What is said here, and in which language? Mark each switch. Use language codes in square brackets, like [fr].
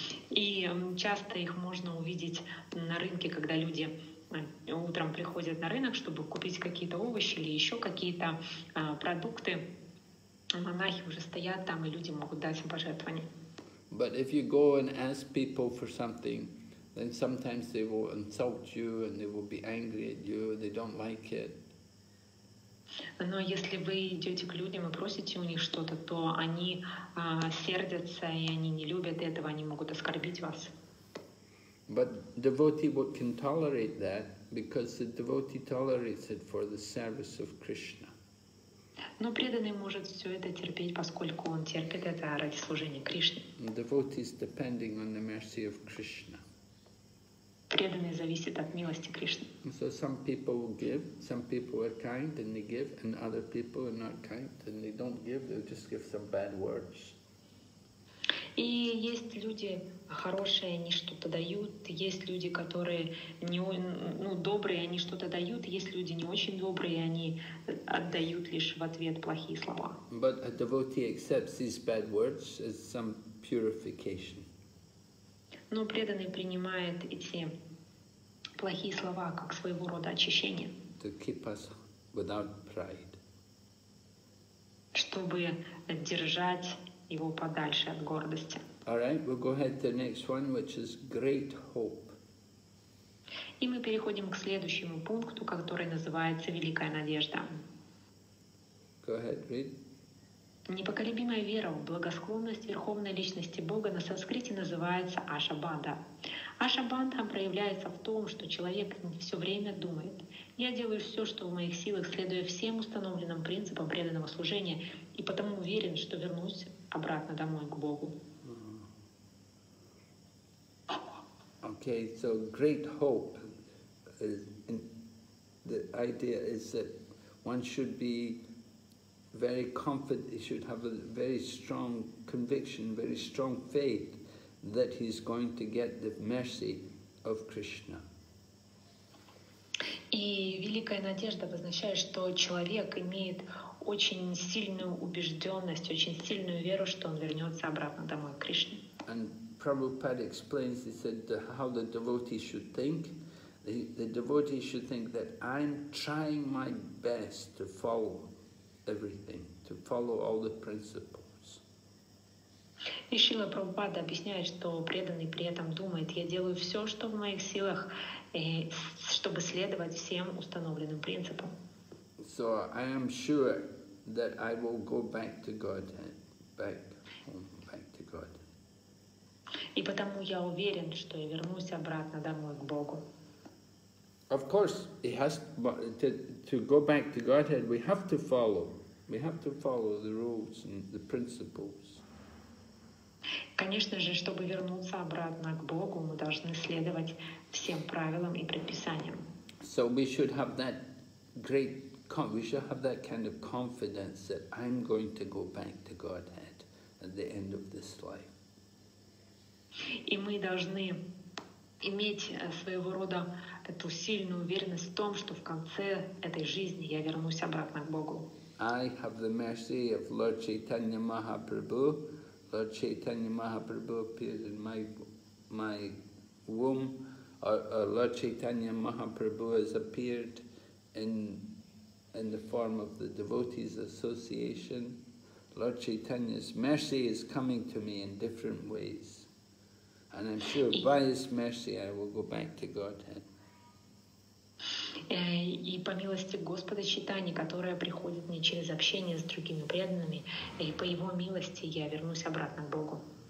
[ru] И часто их можно увидеть на рынке, когда люди утром приходят на рынок, чтобы купить какие-то овощи или еще какие-то продукты, монахи уже стоят там, и люди могут дать им пожертвования. [en] But if you go and ask people for something, then sometimes they will insult you and they will be angry at you, they don't like it. [ru] Но если вы идете к людям и просите у них что-то, то они сердятся и они не любят этого, они могут оскорбить вас. [en] But devotee can tolerate that because the devotee tolerates it for the service of Krishna. [ru] Но преданный может все это терпеть, поскольку он терпит это ради служения Кришне. [en] And devotee is depending on the mercy of Krishna. [ru] Преданный зависит от милости Кришны. [en] So some people will give, some people are kind and they give, and other people are not kind and they don't give, they just give some bad words. [ru] И есть люди хорошие, они что-то дают, есть люди, которые не, ну, добрые, они что-то дают, есть люди не очень добрые, они отдают лишь в ответ плохие слова. [en] But a devotee accepts these bad words as some purification. [ru] Но преданный принимает эти плохие слова как своего рода очищение. [en] To keep us without pride. [ru] Чтобы держать его подальше от гордости. [en] All right, we'll go ahead to the next one, which is great hope. [ru] И мы переходим к следующему пункту, который называется «Великая надежда». [en] Go ahead, read. [ru] Непоколебимая вера, благосклонность Верховной Личности Бога на санскрите называется ашабанда. Ашабанда проявляется в том, что человек все время думает: «Я делаю все, что в моих силах, следуя всем установленным принципам преданного служения, и потому уверен, что вернусь обратно домой к Богу». [en] Okay, so great hope is in, the idea is that one should be very confident, he should have a very strong conviction, very strong faith that he's going to get the mercy of Krishna. [ru] И великая надежда означает, что человек имеет очень сильную убежденность, очень сильную веру, что он вернется обратно домой к Кришне. [en] And Prabhupada explains, he said, how the devotee should think. The devotee should think that I'm trying my best to follow everything, to follow all the principles. [ru] И Шрила Прабхупада объясняет, что преданный при этом думает: я делаю все, что в моих силах, чтобы следовать всем установленным принципам. [en] So I am sure that I will go back to Godhead, back home, back to God. [ru] И потому я уверен, что я вернусь обратно домой к Богу. [en] Of course, he has to go back to Godhead. We have to follow. We have to follow the rules and the principles. [ru] Конечно же, чтобы вернуться обратно к Богу, мы должны следовать всем правилам и предписаниям. [en] So we should have that great, we should have that kind of confidence that I'm going to go back to Godhead at the end of this life. [ru] И мы должны иметь своего рода эту сильную уверенность в том, что в конце этой жизни я вернусь обратно к Богу. [en] I have the mercy of Lord Chaitanya Mahaprabhu. Lord Chaitanya Mahaprabhu appeared in my womb. Lord Chaitanya Mahaprabhu has appeared in the form of the Devotees Association. Lord Chaitanya's mercy is coming to me in different ways. And I'm sure by His mercy I will go back to Godhead. [ru] И по милости Господа Читания, которое приходит мне через общение с другими преданными, и по Его милости я вернусь обратно к Богу.